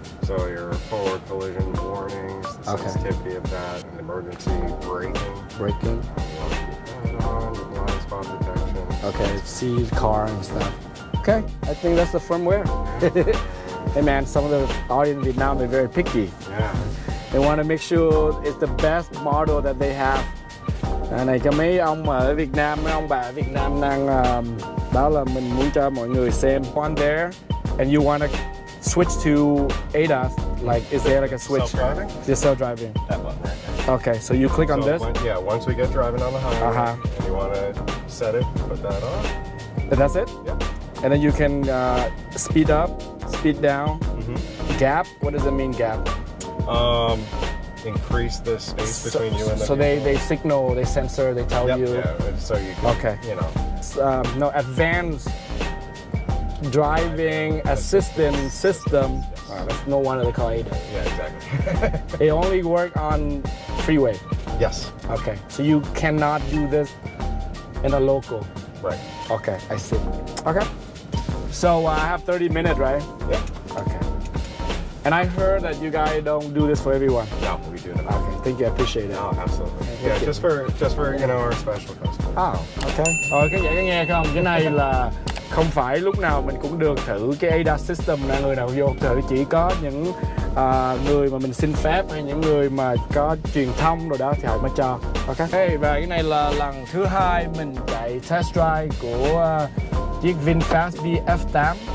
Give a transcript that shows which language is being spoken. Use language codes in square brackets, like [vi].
[en] So your forward collision warnings, the sensitivity of that, and emergency braking. Blind spot detection. Okay, see the car and stuff. Okay, I think that's the firmware. Hey man, some of the audience in Vietnam, they're very picky. Yeah. They want to make sure it's the best model that they have. [vi] Này cho mấy ông ở Việt Nam, mấy ông bà ở Việt Nam đang báo là mình muốn cho mọi người xem. [en] One there, and you want to switch to ADAS, like is there like a switch? Self-driving? Just self-driving. That button. Okay, so you click on this? Once we get driving on the highway, uh-huh. And you want to set it, put that on. And that's it? Yeah. And then you can speed up, speed down, mm-hmm. Gap. What does it mean, gap? Increase the space between you and the So they signal, they sensor, they tell you. Yeah, so you can, Advanced driving assistant system. That's no one of the car either. Yeah, exactly. It only work on freeway. Yes. Okay. So you cannot do this in a local. Right. Okay, I see. Okay. So I have 30 minutes, right? Yeah. Okay. And I heard that you guys don't do this for everyone. No, we do it. Okay. Thank you. I appreciate it. Oh, absolutely. Yeah, just for you know, our special customers. Oh, okay. [vi] Oh, cái gì nghe không? Cái này là không phải lúc nào mình cũng được thử cái ADAS system là người nào vô thử, chỉ có những người mà mình xin phép hay những người mà có truyền thông rồi đó thì họ mới cho. Ok. Hey, và cái này là lần thứ hai mình chạy test drive của chiếc VinFast VF8.